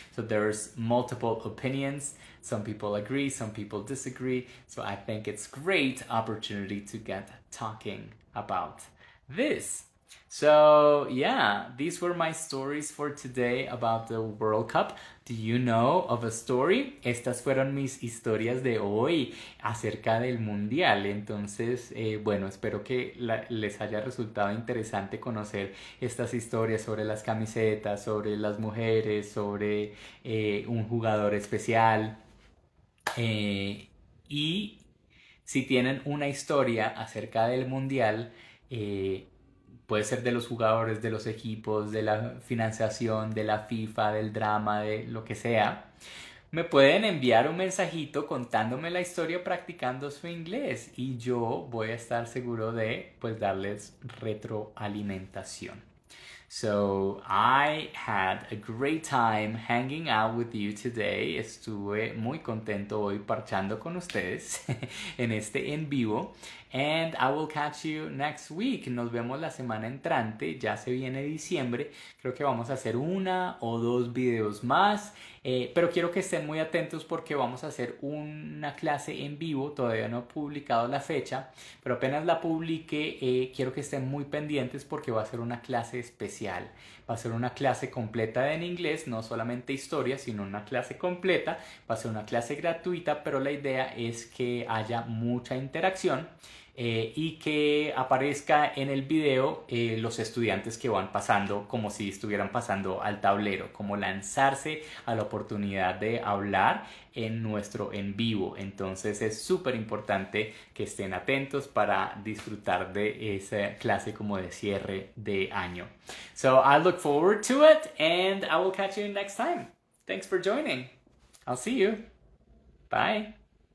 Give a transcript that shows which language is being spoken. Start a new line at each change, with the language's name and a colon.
English: So there's multiple opinions. Some people agree, some people disagree. So I think it's a great opportunity to get talking about this. So yeah, these were my stories for today about the World Cup. Do you know of a story?
Spanish: Estas fueron mis historias de hoy acerca del Mundial. Entonces, bueno, espero que les haya resultado interesante conocer estas historias sobre las camisetas, sobre las mujeres, sobre un jugador especial. Y si tienen una historia acerca del Mundial, puede ser de los jugadores, de los equipos, de la financiación, de la FIFA, del drama, de lo que sea, me pueden enviar un mensajito contándome la historia practicando su inglés y yo voy a estar seguro de, pues, darles retroalimentación.
English: So, I had a great time hanging out with you today.
Spanish: Estuve muy contento hoy parchando con ustedes en este en vivo.
English: And I will catch you next week.
Spanish: Nos vemos la semana entrante. Ya se viene diciembre. Creo que vamos a hacer una o dos videos más. Pero quiero que estén muy atentos porque vamos a hacer una clase en vivo. Todavía no he publicado la fecha, pero apenas la publique, quiero que estén muy pendientes porque va a ser una clase especial. Va a ser una clase completa en inglés, no solamente historia, sino una clase completa. Va a ser una clase gratuita, pero la idea es que haya mucha interacción. Y que aparezca en el video los estudiantes que van pasando como si estuvieran pasando al tablero, como lanzarse a la oportunidad de hablar en nuestro en vivo. Entonces es súper importante que estén atentos para disfrutar de esa clase como de cierre de año.
English: So I look forward to it and I will catch you next time. Thanks for joining. I'll see you. Bye.